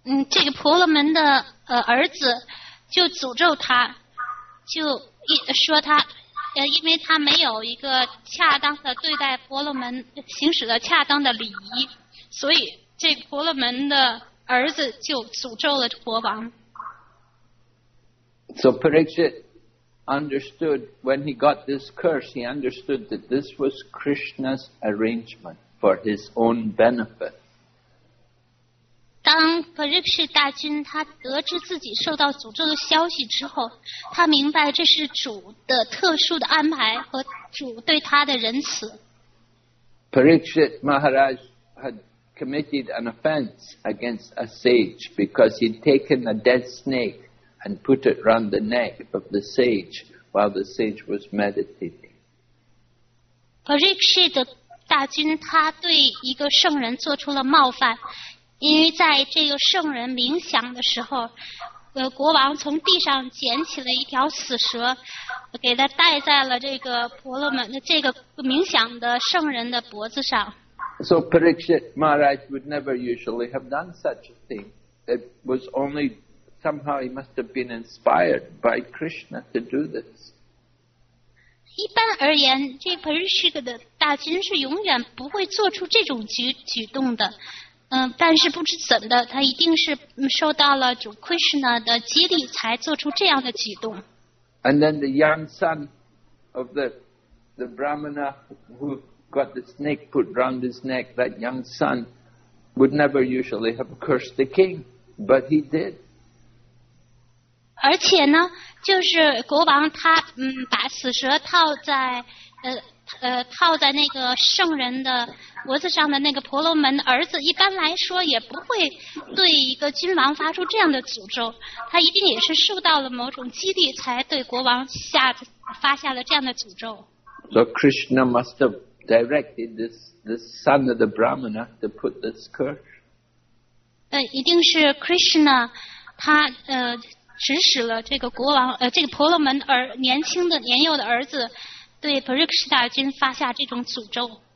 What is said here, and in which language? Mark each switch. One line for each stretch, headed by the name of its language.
Chinese: 这个婆罗门的儿子就诅咒他，就说他因为他没有一个恰当的对待婆罗门行使的恰当的礼仪，所以这婆罗门的儿子就诅咒了国王。
English: So Parikshit understood when he got this curse, he understood that this was Krishna's arrangement for his own benefit.
Chinese: 当 Parikshit 大君他得知自己受到诅咒的消息之后，他明白这是主的特殊的安排和主对他的仁慈。
English: Parikshit Maharaj had committed an offense against a sage because he'd taken a dead snake and put it round the neck of the sage while the sage was meditating.
Chinese: Parikshit 大君他对一个圣人做出了冒犯，因为在这个圣人冥想的时候，国王从地上捡起了一条死蛇，给他戴在了这个婆罗门的这个冥想的圣人的脖子上。
English: So Parikshit Maharaj would never usually have done such a thing. It was only somehow he must have been inspired by Krishna to do this.
Chinese: 一般而言，这 Parikshit 的大军是永远不会做出这种举动的。但是不知怎的，他一定是受到了主 Krishna 的激励，才做出这样的举动。
English: And then the young son of the Brahmana who got the snake put round his neck, that young son would never usually have cursed the king, but he did.
Chinese: 而且呢，就是国王他把死蛇套在那个圣人的脖子上的那个婆罗门儿子，一般来说也不会对一个君王发出这样的诅咒，他一定也是受到了某种激励，才对国王发下了这样的诅咒。
English: So Krishna must have directed this son of the Brahmana to put this curse.
Chinese: 一定是 Krishna 他指使了这个国王这个婆罗门儿年轻的年幼的儿子。对 Parikshit 大君发下这种诅咒。